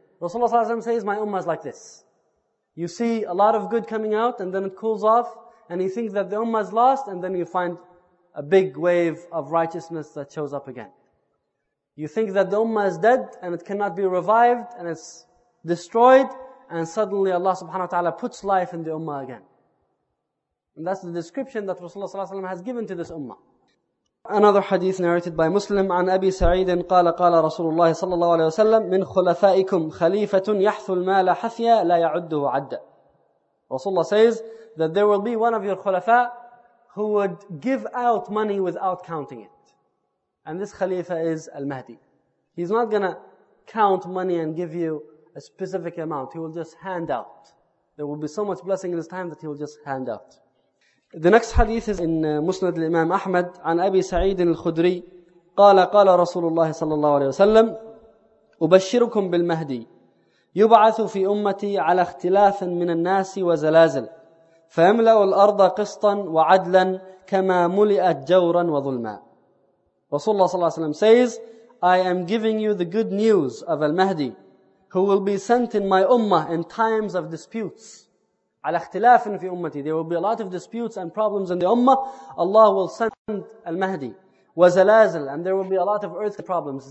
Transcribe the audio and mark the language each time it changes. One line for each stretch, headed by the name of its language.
English: Rasulullah ﷺ says, my ummah is like this. You see a lot of good coming out, and then it cools off, and you think that the ummah is lost, and then you find a big wave of righteousness that shows up again. You think that the ummah is dead, and it cannot be revived, and it's destroyed, and suddenly Allah subhanahu wa ta'ala puts life in the ummah again. And that's the description that Rasulullah sallallahu alayhi wa sallam has given to this ummah. Another hadith narrated by Muslim,
Arabic: عن أبي سعيد قال قال رسول الله صلى الله عليه وسلم من خلفائكم خليفة يحث المال حثيا لا يعده عدا.
English: Rasulullah says that there will be one of your khulafa who would give out money without counting it. And this khalifa is Al-Mahdi. He's not going to count money and give you a specific amount. He will just hand out. There will be so much blessing in his time that he will just hand out. The next hadith is in Musnad al-Imam Ahmad,
Arabic: عن أبي سعيد الخدري قال قال رسول الله صلى الله عليه وسلم أبشركم بالمهدي يبعث في أمتي على اختلاف من الناس وزلازل فيملأ الأرض قسطا وعدلا كما ملئت جورا وظلما.
English: Rasulullah صلى الله عليه وسلم says, I am giving you the good news of Al-Mahdi, who will be sent in my ummah in times of disputes.
Arabic: عَلَى اخْتِلَافٍ فِي أُمَّتِي
English: There will be a lot of disputes and problems in the ummah. Allah will send Al-Mahdi.
Arabic: وَزَلَازِلٍ
English: And there will be a lot of earth problems.